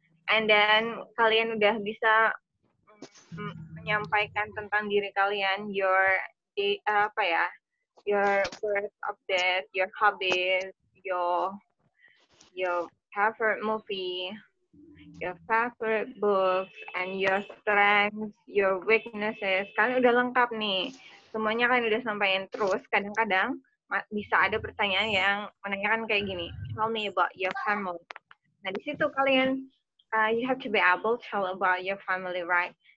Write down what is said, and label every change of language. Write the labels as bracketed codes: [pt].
[en] And then [id] kalian udah bisa menyampaikan tentang diri kalian, [en] your [id] apa ya? [en] Your birth update, your hobbies, your favorite movie. Your favorite books and your strengths, your weaknesses. [id] Kalian udah lengkap nih. Semuanya kan udah sampaikan terus. Kadang-kadang bisa ada pertanyaan yang menanyakan kayak gini. [en] Tell me about your family. [id] Nah, di situ kalian [en] you have to be able to tell about your family, right?